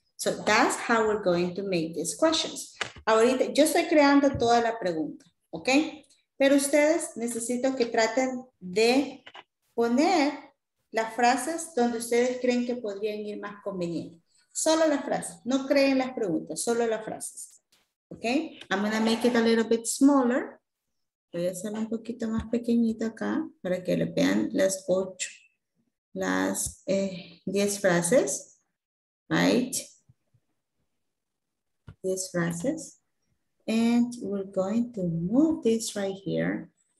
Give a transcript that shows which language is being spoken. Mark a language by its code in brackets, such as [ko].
[en] So that's how we're going to make these questions. [es] Ahorita yo estoy creando toda la pregunta. Okay? Pero ustedes necesito que traten de poner las frases donde ustedes creen que podrían ir más conveniente. Solo las frases. No creen las preguntas. Solo las frases. ¿Ok? [en] I'm going to make it a little bit smaller. [es] Voy a hacerlo un poquito más pequeñito acá para que le vean las 8, las 10 frases. Right? [en] these phrases. And we're going to move this right here.